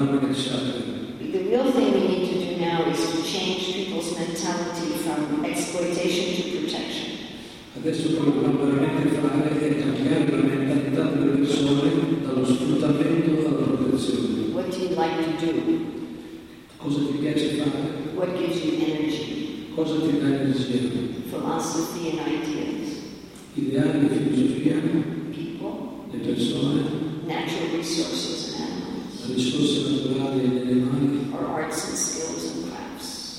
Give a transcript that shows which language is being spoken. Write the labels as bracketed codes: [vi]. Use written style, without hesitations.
[en] The real thing we need to do now is to change people's mentality from exploitation to protection. [it] Adesso dobbiamo veramente fare è cambiare la mentalità delle persone dallo sfruttamento alla protezione. [en] What do you like to do? [it] Cosa ti piace fare? [en] What gives you energy? [it] Cosa ti dà energia? [en] Philosophy and ideas. [it] Ideali e filosofia. Le persone, [en] natural resources and animals, [it] risorse naturali e gli animali, [en] or arts and skills and crafts,